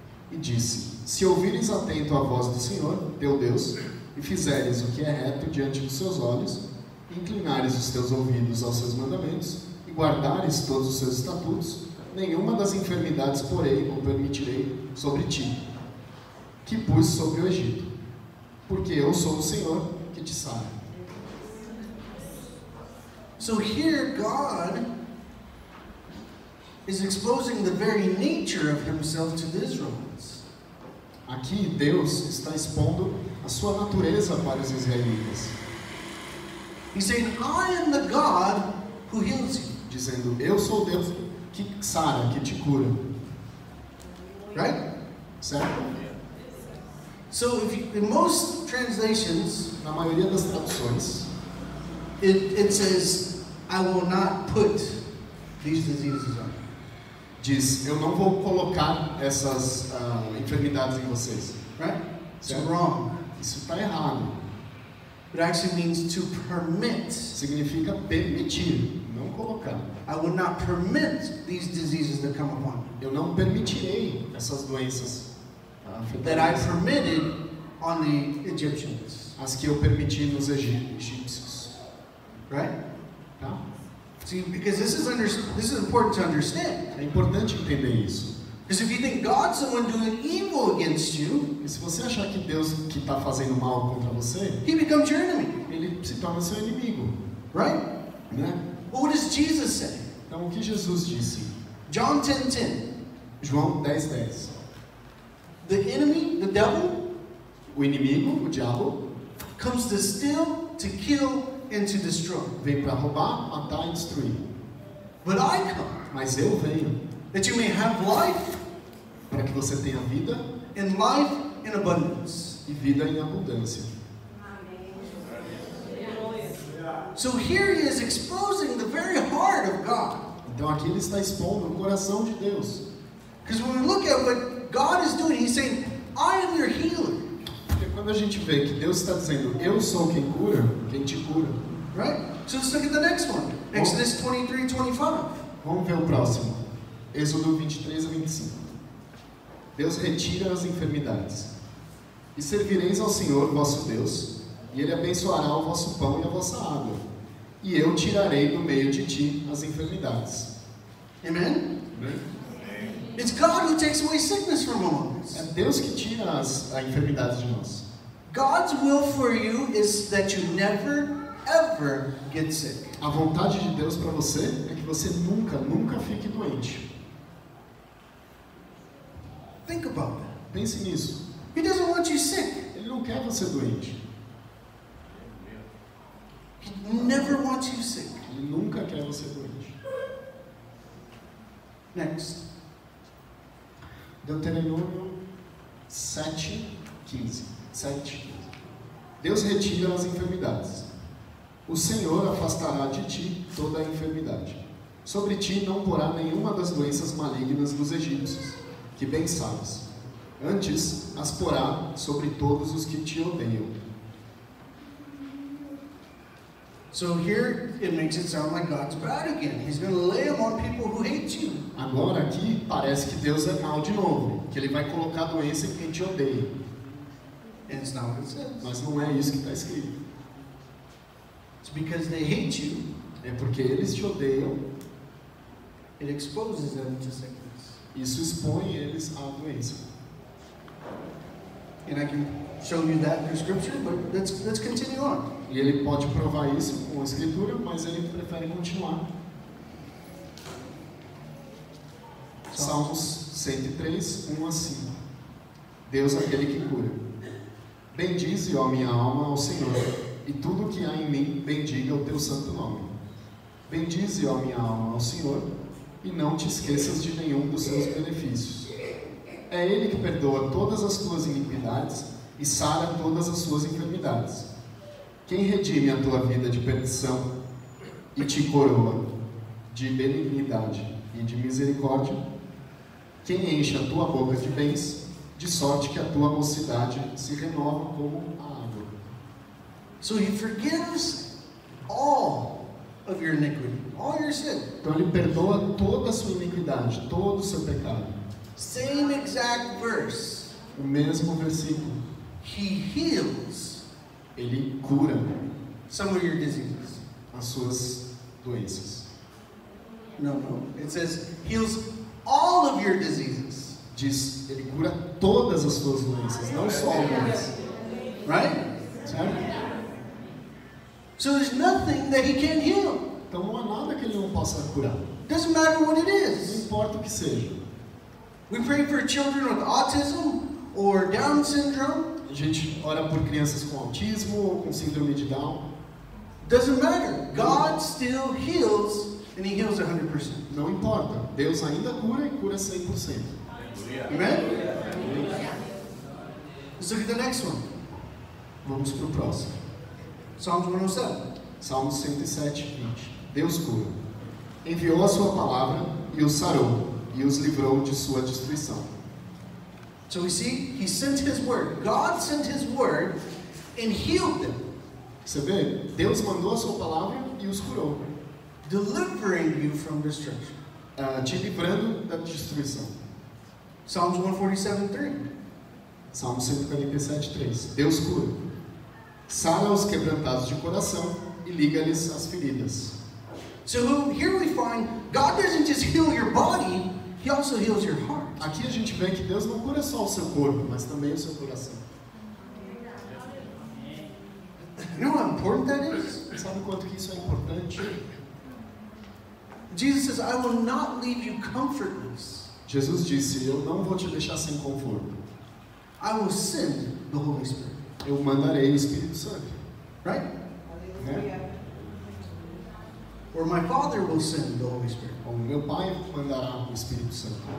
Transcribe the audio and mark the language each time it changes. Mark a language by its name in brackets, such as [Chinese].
[Portuguese] E disse, se ouvires atento à voz do Senhor, teu Deus, e fizeres o que é reto diante dos seus olhos, e inclinares os teus ouvidos aos seus mandamentos, e guardares todos os seus estatutos, nenhuma das enfermidades porei ou permitirei sobre ti, que pus sobre o Egito, porque eu sou o Senhor que te sara. [English] So here God is exposing the very nature of himself to the Israelites. [Portuguese] Aqui Deus está expondo a sua natureza para os israelitas. [English] He's saying, I am the God who heals you. [Portuguese] Dizendo, eu sou Deus que sara, que te cura. [English] Right? [Portuguese] Certo? [English] So if you, in most translations, [Portuguese] na maioria das traduções, [English] it says, I will not put these diseases on. [Portuguese] Diz, eu não vou colocar essas enfermidades em vocês. [English] Right? [Portuguese] Certo? [English] It's wrong. [Portuguese] Isso está errado. [English] It actually means to permit. [Portuguese] Significa permitir, não colocar. [English] I will not permit these diseases to come upon me. [Portuguese] Eu não permitirei essas doenças. [English] That I permitted on the Egyptians. [Portuguese] As que eu permiti nos egípcios. [English] Right? [Portuguese] Tá? [English] See, because this is important to understand. [Portuguese] É importante entender isso. [English] Because if you think God's the one doing evil against you, [Portuguese] e se você achar que Deus que está fazendo mal contra você, [English] he becomes your enemy. [Portuguese] Ele se torna seu inimigo. [English] Right? [Portuguese] Né? [English] Well, what does Jesus say? [Portuguese] Então, o que Jesus disse? [English] John 10:10. [Portuguese] João 10:10. [English] The enemy, the devil, [Portuguese] o inimigo, o diabo, [English] comes to steal, to kill, and to destroy. [Portuguese] Vem para roubar, matar e destruir. [English] But I come. [Portuguese] Mas eu venho. [English] That you may have life. [Portuguese] Para que você tenha vida. [English] And life in abundance. [Portuguese] E vida em abundância. [English] So here he is exposing the very heart of God. [Portuguese] Então aqui ele está expondo o coração de Deus. [English] Because when we look at what God is doing, he's saying, I am your healer. [Portuguese] Porque quando a gente vê que Deus está dizendo, eu sou quem te cura. [English] Right? So let's look at the next one. Exodus 23, 25. [Portuguese] Vamos ver o próximo. Êxodo 23 a 25. Deus retira as enfermidades. E servireis ao Senhor, vosso Deus, e Ele abençoará o vosso pão e a vossa água. E eu tirarei do meio de ti as enfermidades. [English] Amen? [Portuguese] Amen. [English] It's God who takes away sickness from all of us. [Portuguese] É Deus que tira as enfermidades de nós. [English] God's will for you is that you never, ever get sick. [Portuguese] A vontade de Deus para você é que você nunca, nunca fique doente. [English] Think about that. [Portuguese] Pense nisso. [English] He doesn't want you sick. [Portuguese] Ele não quer você doente. [English] He never wants you sick. [Portuguese] Ele nunca quer você doente. [English] Next. [Portuguese] Deuteronômio 7:15. Deus retira as enfermidades. O Senhor afastará de ti toda a enfermidade. Sobre ti não porá nenhuma das doenças malignas dos egípcios, que bem sabes. Antes as porá sobre todos os que te odeiam. [English] So here it makes it sound like God's bad again. He's going to lay them on people who hate you. [Portuguese] Agora aqui parece que Deus é mal de novo, que ele vai colocar doença em quem te odeia. [English] And it's not what it says. [Portuguese] Mas não é isso que está escrito. [English] It's because they hate you. [Portuguese] É porque eles te odeiam. [English] It exposes them to sickness. [Portuguese] Isso expõe eles à doença. [English] And I can show you that through scripture, but let's continue on. [Portuguese] E ele pode provar isso com a escritura, mas ele prefere continuar. Salmos 103, 1 a 5. Deus aquele que cura. Bendize, ó minha alma, ao Senhor, e tudo que há em mim, bendiga o teu santo nome. Bendize, ó minha alma, ao Senhor, e não te esqueças de nenhum dos seus benefícios. É ele que perdoa todas as tuas iniquidades e sara todas as suas enfermidades. Quem redime a tua vida de perdição e te coroa de benignidade e de misericórdia? Quem enche a tua boca de bens, de sorte que a tua mocidade se renova como a água? [English] So he forgives all of your iniquity, all your sin. [Portuguese] Então ele perdoa toda a sua iniquidade, todo o seu pecado. [English] Same exact verse. [Portuguese] O mesmo versículo. [English] He heals. [Portuguese] Ele cura [English] some of your diseases. [Portuguese] As suas doenças. [English] No. It says heals all of your diseases. [Portuguese] Diz, ele cura todas as suas doenças, não só algumas. [English] Right? [Portuguese] Certo? [English] So there's nothing that he can't heal. [Portuguese] Então não há nada que ele não possa curar. [English] Doesn't matter what it is. [Portuguese] Não importa o que seja. [English] We pray for children with autism or Down syndrome. [Portuguese] A gente ora por crianças com autismo ou com síndrome de Down. [English] Doesn't matter. God still heals and he heals 100%. [Portuguese] Não importa. Deus ainda cura e cura 100%. [English] Amen? Let's look at the next one. [Portuguese] Vamos para o próximo. [English] Psalms 107. [Portuguese] Salmos 107:20. Deus cura. Enviou a sua palavra e os sarou e os livrou de sua destruição. [English] So we see, he sent his word. God sent his word and healed them. [Portuguese] Você vê? Deus mandou a sua palavra e os curou. [English] Delivering you from destruction. [Portuguese] Te livrando da destruição. [English] Psalms 147:3. [Portuguese] Salmo 147:3. Deus cura. Sara os quebrantados de coração e liga-lhes as feridas. [English] So here we find God doesn't just heal your body, he also heals your heart. [Portuguese] Aqui a gente vê que Deus não cura só o seu corpo, mas também o seu coração. [English] You know how important that is? [Portuguese] Sabe quanto que isso é importante? [English] Jesus says, I will not leave you comfortless. [Portuguese] Jesus disse, eu não vou te deixar sem conforto. [English] I will send the Holy Spirit. [Portuguese] Eu mandarei o Espírito Santo. [English] Right? Yeah. Or my Father will send the Holy Spirit. [Portuguese] Ou meu Pai mandará o Espírito Santo.